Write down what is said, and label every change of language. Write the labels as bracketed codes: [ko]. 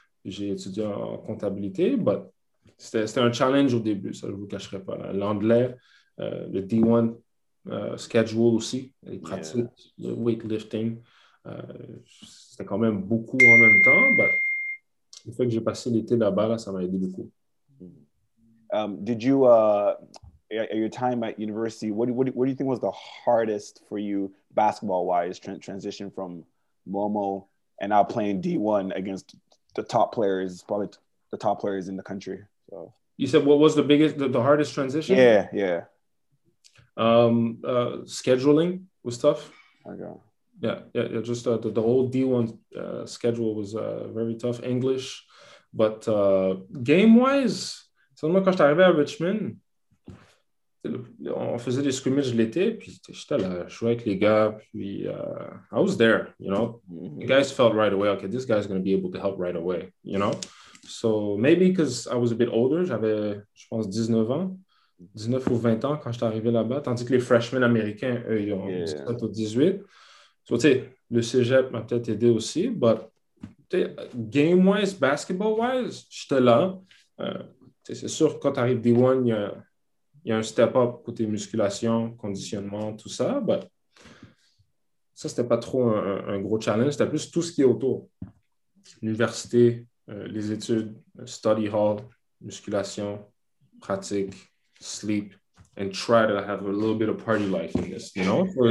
[fr] J'ai étudié en comptabilité, but c'était un challenge au début, ça, je ne vous cacherai pas. Là. L'anglais, le D1 schedule aussi, les pratiques, le weightlifting. C'était quand même beaucoup en même temps, mais le fait que j'ai passé l'été là-bas, là, ça m'a aidé beaucoup. [en] Did you, at your time at university, what do you think was the hardest for you basketball-wise, transition from Momo and now playing D1 against the top players, probably the top players in the country? So you said what was the biggest, the hardest transition? Yeah. Scheduling was tough. Okay. Yeah, just the whole D1 schedule was very tough. English, but game-wise, [fr] seulement quand je suis arrivé à Richmond, on faisait des scrimmages l'été, puis j'étais là, je jouais avec les gars, puis [en] I was there, you know. [fr] Mm-hmm. [en] The guys felt right away, okay, this guy's going to be able to help right away, you know. So maybe because I was a bit older, [fr] j'avais, je pense, 19 ans. 19 ou 20 ans quand je suis arrivé là-bas, tandis que les freshmen américains, eux, ils ont 17 ou 18. So, tu sais, le cégep m'a peut-être aidé aussi, but game-wise, basketball-wise, j'étais là. C'est sûr que quand tu arrives D1, il y a un step-up côté musculation, conditionnement, tout ça, but ça, c'était pas trop un gros challenge. C'était plus tout ce qui est autour. L'université, les études, [en] study hall, musculation, pratique, sleep, and try to have a little bit of party life in this, you know?